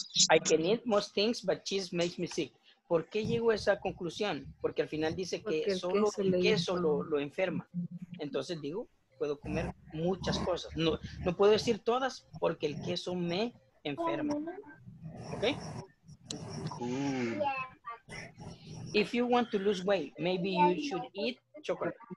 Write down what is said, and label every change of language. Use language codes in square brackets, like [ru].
[en] I can eat most things, but cheese makes me sick. [es] ¿Por qué llego a esa conclusión? Porque al final dice que el solo queso el queso lo enferma. Entonces digo, puedo comer muchas cosas. No puedo decir todas porque el queso me enferma. ¿Ok? [en] If you want to lose weight, maybe you should eat chocolate.